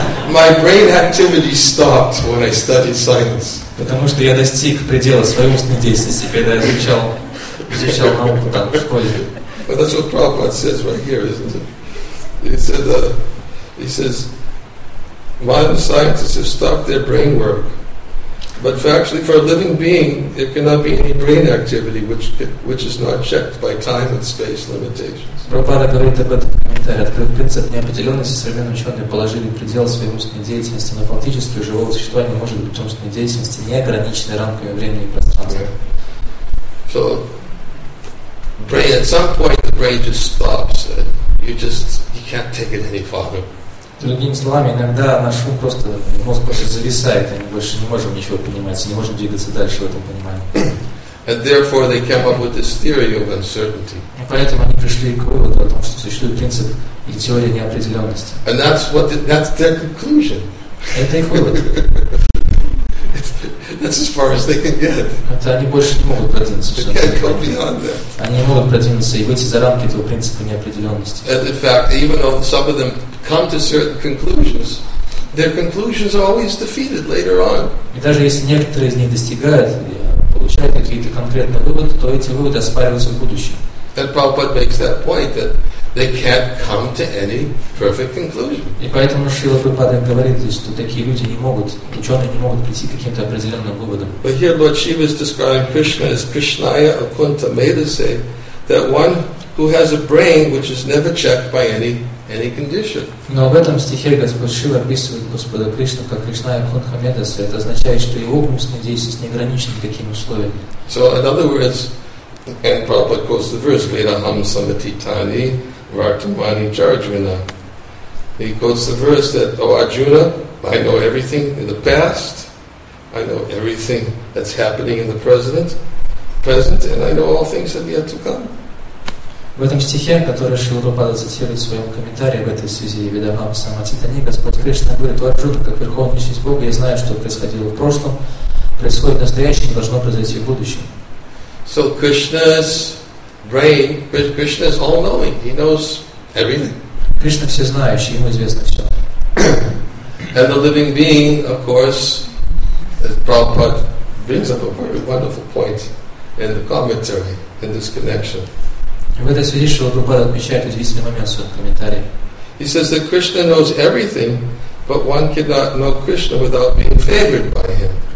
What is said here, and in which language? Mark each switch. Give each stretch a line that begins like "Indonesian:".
English: My brain activity stopped when I studied science.
Russian: Потому что я достиг предела своей умственной деятельности, когда я изучал науку там в школе.
English: But that's what Prabhupada says right here, isn't it? He says, modern scientists have stopped their brain work. But factually, for a living being, there cannot be any brain activity which is not checked by time and space limitations.
Russian: Prabhupada говорит об этом комментарии, открыл принцип неопределенности, современные ученые положили предел своей умственной деятельности, но фактически живого существа не может быть умственной деятельности, не ограниченной рамками времени и пространства.
English: So, brain, at some point the brain just stops. You can't take it any farther.
Russian: Другими словами, иногда наш ум просто, мозг просто зависает, и мы больше не можем ничего понимать, и не можем двигаться дальше в этом понимании.
English: And therefore they came up with this theory of uncertainty.
Russian: И поэтому они пришли к выводу о том, что существует принцип и теория неопределенности.
English: And that's their conclusion.
Russian: Это их вывод.
English: That's as far as they can get.
Russian: Это они больше не могут продвинуться.
English: They can't go beyond that.
Russian: Они не могут продвинуться и выйти за рамки этого принципа неопределенности.
English: And in fact, even though some of them come to certain conclusions, their conclusions are always defeated later on.
Russian: И даже если некоторые из них достигают, получают какие-то конкретные выводы, то эти выводы оспариваются в будущем.
English: And Prabhupada makes that point that they can't come to any perfect conclusion.
Russian: И поэтому Шрила Прабхупада говорит здесь, что такие люди не могут, ученые не могут прийти к каким-то определенным выводам.
English: But here Lord Shiva is describing Krishna as Krishnaya Akunta Medase, that one who has a brain which is never checked by any condition.
Russian: Но в этом стихе Господь Шрила описывает Господа Кришну как Кришная Акунта Медасе. Это означает, что его умственные действия не ограничены никакими условиями.
English: So in other words, and Prabhupada quotes the verse
Sanskrit: Vedaham Samati Tani Vartamani Charjuna.
English: He quotes the verse that, O Arjuna, I know everything in the past, I know everything that's happening in the present, and I know all things that have yet to come.
Russian: В этом стихе, который Шрила Прабхупада цитирует в своем комментарии в этой связи
Sanskrit: Vedaham Samati Tani,
Russian: Господь Кришна говорит, О Арджуна, как Верховная Личность Бога, я знаю, что происходило в прошлом, происходит в настоящем, должно произойти в будущем.
English: So Krishna's brain, Krishna is all-knowing. He knows everything.
Russian: Krishna все знающий, ему известно все.
English: And the living being, of course, as Prabhupada brings up a very wonderful point in the commentary in this connection.
Russian: В этой связи Шрила Прабхупада отмечает удивительный момент в своем комментарии.
English: He says that Krishna knows everything, but one cannot know Krishna without being favored by him.